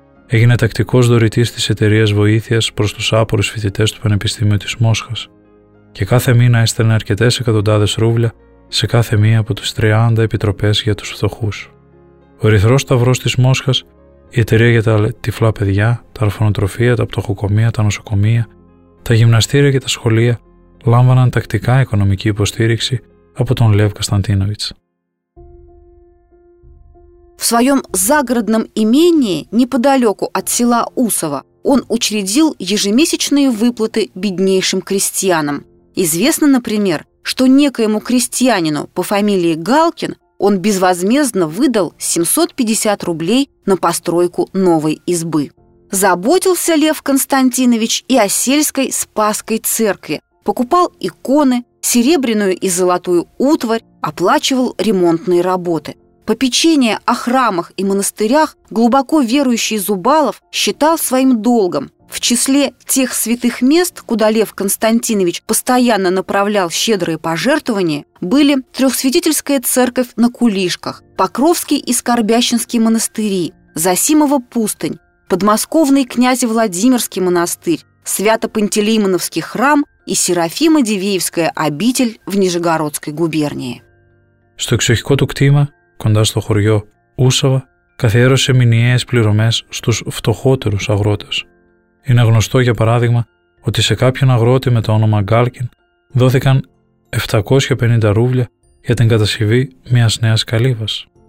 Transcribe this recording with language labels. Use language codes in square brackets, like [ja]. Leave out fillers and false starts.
[el] Έγινε τακτικός δωρητής της εταιρείας βοήθειας προς τους άπορους φοιτητές του Πανεπιστημίου της Μόσχας και κάθε μήνα έστελνε αρκετές εκατοντάδες ρούβλια σε κάθε μία από τις 30 επιτροπές για τους φτωχούς. Ο Ερυθρός Σταυρός της Μόσχας, η εταιρεία για τα τυφλά παιδιά, τα ορφανοτροφεία, τα πτωχοκομεία, τα νοσοκομεία, τα γυμναστήρια και τα σχολεία λάμβαναν τακτικά οικονομική υποστήριξη από τον Λεύ Κωνσταντίνοβιτς. [ru] В своем загородном имении неподалеку от села Усово он учредил ежемесячные выплаты беднейшим крестьянам. Известно, например, что некоему крестьянину по фамилии Галкин он безвозмездно выдал 750 рублей на постройку новой избы. Заботился Лев Константинович и о сельской Спасской церкви. Покупал иконы, серебряную и золотую утварь, оплачивал ремонтные работы. Попечение о храмах и монастырях глубоко верующий Зубалов считал своим долгом. В числе тех святых мест, куда Лев Константинович постоянно направлял щедрые пожертвования, были Трехсвятительская церковь на Кулишках, Покровский и Скорбящинский монастыри, Зосимова пустынь, подмосковный Князевладимирский монастырь, Свято-Пантелеимоновский храм и Серафима-Дивеевская обитель в Нижегородской губернии. [el] Στο εξοχικό του κτήμα, κοντά στο χωριό Ούσαβα, καθιέρωσε μηνιαίες πληρωμές στους φτωχότερους αγρότες. Είναι γνωστό, για παράδειγμα, ότι σε κάποιον αγρότη με το όνομα Γκάλκιν δόθηκαν 750 ρούβλια για την κατασκευή μιας νέας καλύβας.